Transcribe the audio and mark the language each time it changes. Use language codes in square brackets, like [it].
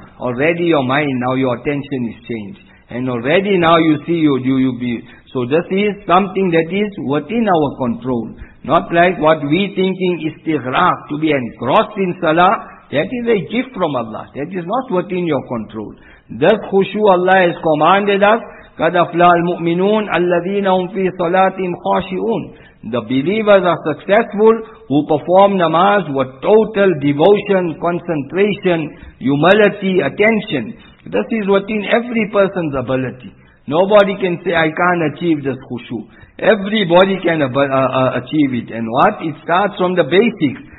[en] Already your mind, now your attention is changed. And already now you see you be. So this is something that is within our control. Not like what we thinking istighraq, to be engrossed in salah, that is a gift from Allah. That is not within your control. This khushu Allah has commanded us, [ar] قَدْ أَفْلَى الْمُؤْمِنُونَ أَلَّذِينَ هُمْ فِي صَلَاتِهِمْ خَاشِعُونَ. [en] The believers are successful who perform namaz with total devotion, concentration, humility, attention. This is within every person's ability. Nobody can say, I can't achieve this khushu. Everybody can achieve it. And what? It starts from the basics.